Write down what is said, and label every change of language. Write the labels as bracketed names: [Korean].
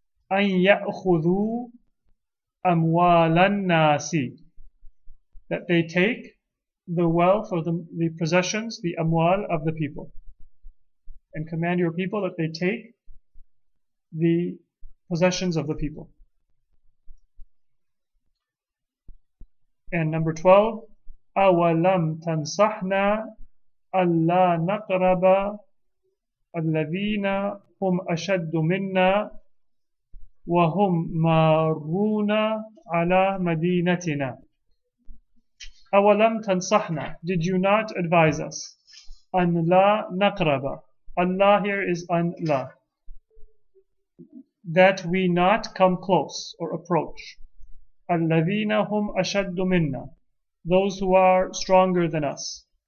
[Arabic] أَنْ يَأْخُذُوا أَمْوَالَ النَّاسِ. [English] That they take the wealth or the possessions, the amwal of the people. And command your people that they take the possessions of the people. And number 12, [Arabic] أَوَلَمْ تَنْصَحْنَا أَلَّا نَقْرَبَ الَّذِينَ هُمْ أَشَدُّ مِنَّا وَهُمْ مَارُونَ عَلَى مَدِينَتِنَا. أَوَلَمْ تَنْصَحْنَا, [English] did you not advise us, [Arabic] أَنْ لَا نَقْرَبَ, [English] Allah here is Allah, that we not come close or approach. [Arabic] الَّذِينَ هُمْ أَشَدُّ مِنَّا, [English] those who are stronger than us.